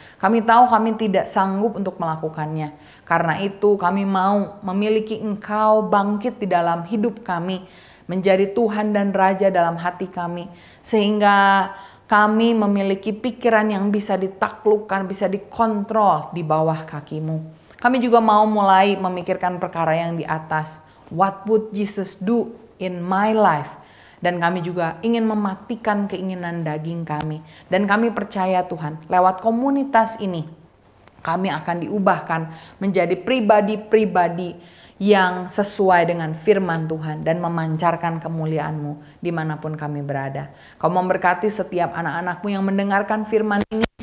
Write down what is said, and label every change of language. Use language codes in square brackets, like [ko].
[id] Kami tahu kami tidak sanggup untuk melakukannya. Karena itu kami mau memiliki Engkau bangkit di dalam hidup kami, menjadi Tuhan dan Raja dalam hati kami, sehingga kami memiliki pikiran yang bisa ditaklukkan, bisa dikontrol di bawah kakimu. Kami juga mau mulai memikirkan perkara yang di atas. [en] What would Jesus do in my life? [id] Dan kami juga ingin mematikan keinginan daging kami. Dan kami percaya Tuhan, lewat komunitas ini, kami akan diubahkan menjadi pribadi-pribadi yang sesuai dengan firman Tuhan dan memancarkan kemuliaan-Mu dimanapun kami berada. Kau memberkati setiap anak-anak-Mu yang mendengarkan firman ini.